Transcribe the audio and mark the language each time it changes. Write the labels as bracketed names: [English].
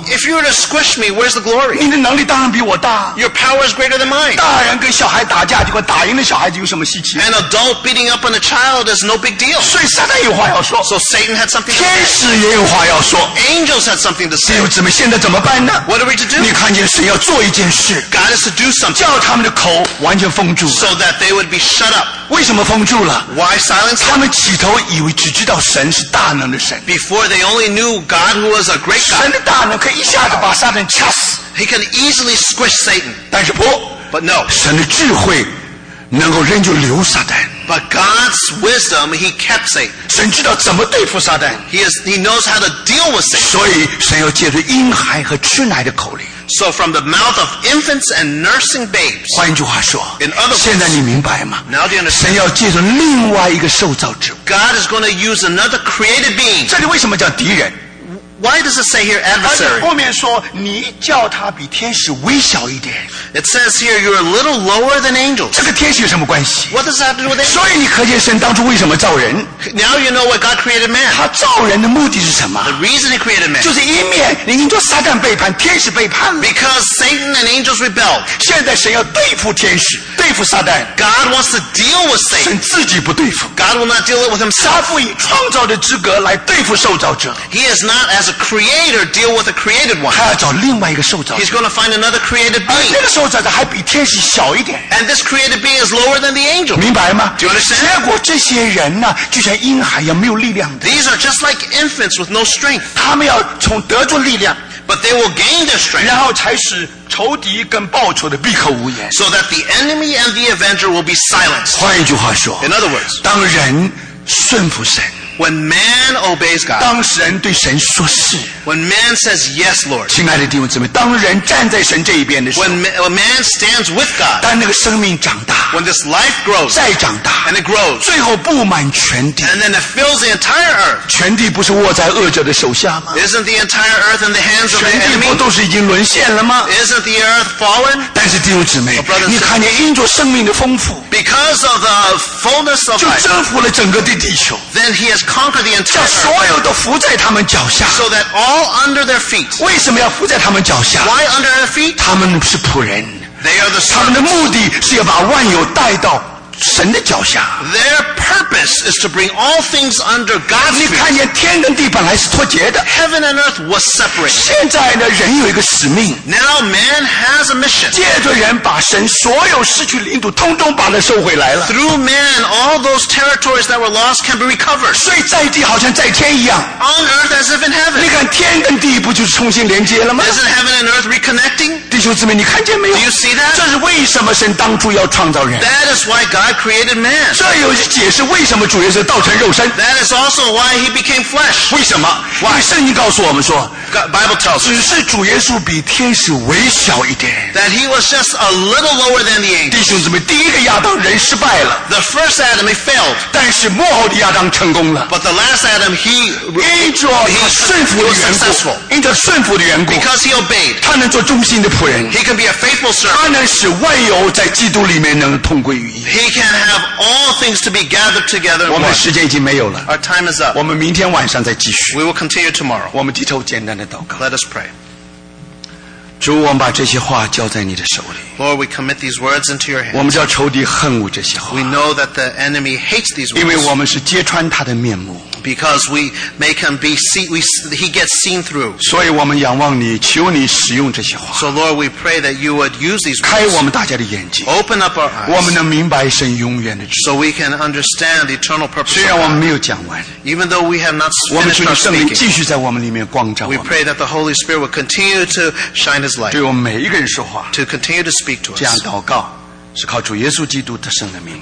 [English] If you were to squish me, where's the glory? [Chinese] 你的能力当然比我大。 [English] Your power is greater than mine. [Chinese] 大人跟小孩打架，结果打赢了小孩子有什么稀奇？ [English] An adult beating up on a child is no big deal. [Chinese] 所以撒旦有话要说。 [English] So Satan had something to say. [Chinese] 天使也有话要说。 [English] Angels had something to say. [Chinese] 弟兄姊妹，现在怎么办呢？ [English] What are we to do? [Chinese] 你看见神要做一件事。 [English] God is to do something. [Chinese] 叫他们的口完全封住。 [English] So that they would be shut up. [Chinese] 为什么封住了？ [English] Why silence? [Chinese] 他们起头以为只知道神是大能的神。 [English] Before they only knew God who was a great God. [Chinese] 神的大能可以一下子把撒旦掐死。 [English] He can easily squish Satan. [Chinese] 但是不。 [English] But no. [Chinese] 神的智慧能够仍旧留撒旦。 [English] But God's wisdom, he kept Satan. [Chinese] 神知道怎么对付撒旦。 [English] He knows how to deal with Satan. [Chinese] 所以神要借着婴孩和吃奶的口里。 [English] So from the mouth of infants and nursing babes. [Chinese] 换一句话说。 [English] In other words, [Chinese] 现在你明白吗？ [English] Now do you understand? [Chinese] 神要借着另外一个受造之物。 [English] God is going to use another created being. [Chinese] 这里为什么叫敌人？ [English] Why does it say here adversary? [Chinese] 而且后面说，你叫他比天使微小一点。 [English] It says here you're a little lower than angels. [Chinese] 这个天使有什么关系？ [English] What does that have to do with angels? [Chinese] 所以你可见神当初为什么造人。 [English] Now you know why God created man. [Chinese] 他造人的目的是什么？ [English] The reason he created man. [Chinese] 就是一面，你听说撒旦背叛，天使背叛了。 [English] Because Satan and angels rebelled. [Chinese] 现在神要对付天使，对付撒旦。 [English] God wants to deal with Satan. [Chinese] 神自己不对付。 [English] God will not deal with him. [Chinese] 他不以创造的资格来对付受造者。 [English] He is not as a creator deal with a created one. [Chinese] 他要找另外一个受造者。 [English] He's going to find another created being. [Chinese] 而那个受造者还比天使小一点。 [English] And this created being is lower than the angel. [Chinese] 明白吗？ [English] Do you understand? [Chinese] 结果这些人呢，就像婴孩一样没有力量的。 [English] These are just like infants with no strength. [Chinese] 他们要从得着力量。 [English] But they will gain their strength. [Chinese] 然后才使仇敌跟报仇的闭口无言。 [English] So that the enemy and the avenger will be silenced. [Chinese] 换一句话说。 [English] In other words. [Chinese] 当人顺服神。 [English] When man obeys God, [Chinese] 当人对神说是 [English] when man says yes, Lord, [Chinese] 亲爱的弟兄姊妹，当人站在神这一边的时候 [English] when man stands with God, [Chinese] 当那个生命长大 [English] when this life grows, [Chinese] 再长大 [English] and it grows, [Chinese] 最后布满全地 [English] and then it fills the entire earth, [Chinese] 全地不是握在恶者的手下吗？ [English] Isn't the entire earth in the hands of the enemy? [Chinese] 全地不都是已经沦陷了吗？ [English] Isn't the earth fallen? [Chinese] 但是弟兄姊妹，你看见因着生命的丰富 [English] because of the fullness of life, [Chinese] 就征服了整个的地球 [English] then he has conquer the entire earth. [Chinese] 叫所有都伏在他们脚下。 [English] So that all under their feet. [Chinese] 为什么要伏在他们脚下？ [English] Why under their feet? [Chinese] 他们是仆人。 [English] They are the servants. [Chinese] 他们的目的是要把万有带到神的脚下。 [English] Their purpose is to bring all things under God's feet. [Chinese] 你看见天跟地本来是脱节的。 [English] Heaven and earth was separate. [Chinese] 现在呢，人有一个使命。 [English] Now man has a mission. [Chinese] 借着人把神所有失去的领土通通把它收回来了。 [English] Through man, all those territories that were lost can be recovered. [Chinese] 所以在地好像在天一样。 [English] On earth as if in heaven. [Chinese] 你看天跟地不就是重新连接了吗？ [English] Isn't heaven and earth reconnecting? [Chinese] 弟兄姊妹，你看见没有？ [English] Do you see that? [Chinese] 这是为什么神当初要创造人。 [English] That is why God created man. [Chinese] 这又是解释为什么主耶稣道成肉身。 [English] That is also why he became flesh. [Chinese] 为什么？ [English] Why? [Chinese] 圣经告诉我们说， [English] God, Bible tells us, [Chinese] 只是主耶稣比天使微小一点。 [English] That he was just a little lower than the angels. [Chinese] 弟兄姊妹，第一个亚当人失败了。 [English] The first Adam he failed. [Chinese] 但是末后的亚当成功了。 [English] But the last Adam he [Chinese] 因着他顺服的缘故，因着顺服的缘故， [English] because he obeyed, [Chinese] 他能做忠心的仆人。 [English] He can be a faithful servant. [Chinese] 他能使万有在基督里面能同归于一。 [English] He canhave all things to be gathered together. [Chinese] 我们时间已经没有了。 [English] Our time is up. [Chinese] 我们明天晚上再继续。 [English] We will continue tomorrow. [Chinese] 我们低头简单的祷告。 [English] Let us pray. [Chinese] 主，我们把这些话交在你的手里。 [English] Lord, we commit these words into your hands. [Chinese] 我们叫仇敌恨恶这些话。 [English] We know that the enemy hates these words. [Chinese] 因为我们是揭穿他的面目。 [English] Because we make him be see, we he gets seen through. [Chinese] 所以我们仰望你，求你使用这些话。 [English] So Lord, we pray that you would use these words. [Chinese] 开我们大家的眼睛。 [English] Open up our eyes. [Chinese] 我们能明白神永远的旨意。 [English] So we can understand the eternal purpose. [Chinese] 虽然我们没有讲完。 [English] Even though we have not finished [Chinese] speaking. 我们求圣灵继续在我们里面光照我们。 [English] We pray that the Holy Spirit will continue to shine His light. [Chinese] 对我们每一个人说话。 [English] To continue to speak to us. [Chinese] 这样祷告，是靠主耶稣基督的圣的名。